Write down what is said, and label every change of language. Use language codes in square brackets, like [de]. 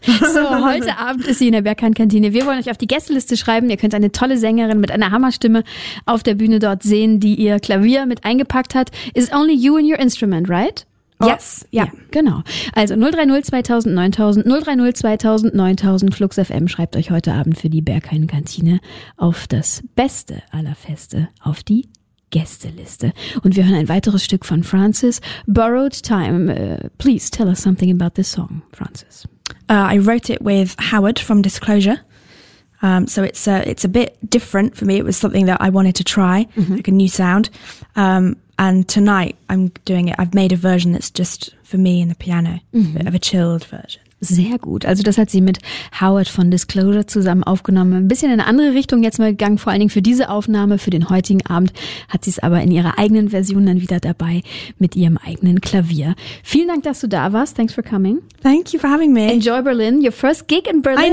[de] So, heute Abend ist sie in der Berghain-Kantine. Wir wollen euch auf die Gästeliste schreiben. Ihr könnt eine tolle Sängerin mit einer Hammerstimme auf der Bühne dort sehen, die ihr Klavier mit eingepackt hat. [en] Is it only you and your instrument, right? Yes. Ja. [de] Genau. Also 030-2000-9000, 030-2000-9000, Flux FM schreibt euch heute Abend für die Berghain-Kantine auf das Beste aller Feste auf die Gästeliste. Und wir hören ein weiteres Stück von Frances, Borrowed Time. [en] Please tell us something about this song, Frances. I wrote it with Howard from Disclosure. So it's a bit different for me. It was something that I wanted to try, like a new sound. And tonight I'm doing it. I've made a version that's just for me and the piano, a bit of a chilled version. [de] Sehr gut. Also das hat sie mit Howard von Disclosure zusammen aufgenommen. Ein bisschen in eine andere Richtung jetzt mal gegangen, vor allen Dingen für diese Aufnahme, für den heutigen Abend, hat sie es aber in ihrer eigenen Version dann wieder dabei mit ihrem eigenen Klavier. Vielen Dank, dass du da warst. Thanks for coming. [en] Thank you for having me. Enjoy Berlin. Your first gig in Berlin.